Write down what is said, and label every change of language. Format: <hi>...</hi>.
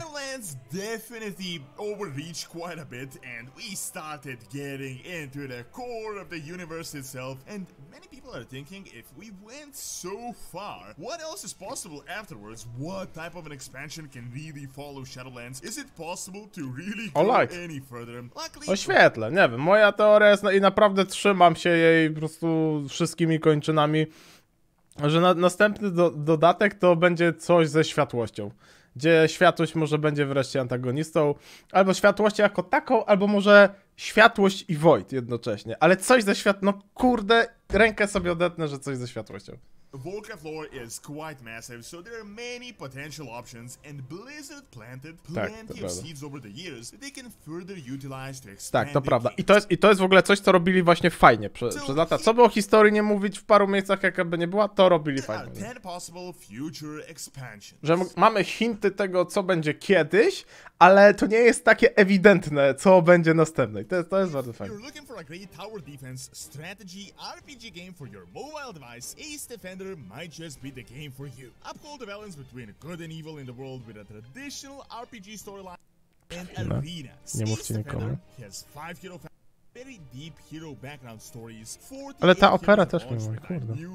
<en>Shadowlands definitely overreached quite a bit and we started getting into the core of the universe itself and many people are thinking if we went so far, what else is possible afterwards? What type of an expansion can really follow Shadowlands? Is it possible to really go any further? Luckily,</en> <pl>oświetlę, nie wiem, moja teoria jest i naprawdę trzymam się jej po prostu wszystkimi kończynami. Że następny dodatek to będzie coś ze światłością, gdzie światłość może będzie wreszcie antagonistą, albo światłość jako taką, albo może światłość i Void jednocześnie, ale coś ze światłością, no kurde, rękę sobie odetnę, że coś ze światłością.</pl> <en>Warcraft lore is quite massive, so there are many potential options and Blizzard planted plenty of seeds over the years that they can further utilize to expand.</en> <pl>Tak, to prawda. I to jest w ogóle coś, co robili właśnie fajnie przez lata. Co by o historii nie mówić w paru miejscach, jakby nie była, to robili fajnie.</pl> <en>There are 10 possible future expansions.</en> <pl>Że mamy hinty tego, co będzie kiedyś, ale to nie jest takie ewidentne, co będzie następne. I to jest bardzo fajne.</pl> <en>You're looking for a great tower defense strategy RPG game for your mobile device, Ace Defense might just be the game for you. Uphold the balance between good and evil in the world with a traditional RPG storyline and arena.</en> <pl>Nie mówcie nikomu.</pl> <en>Has five hero very deep hero background stories.</en> <pl>Ale ta opera też mi mówi, kurde.</pl>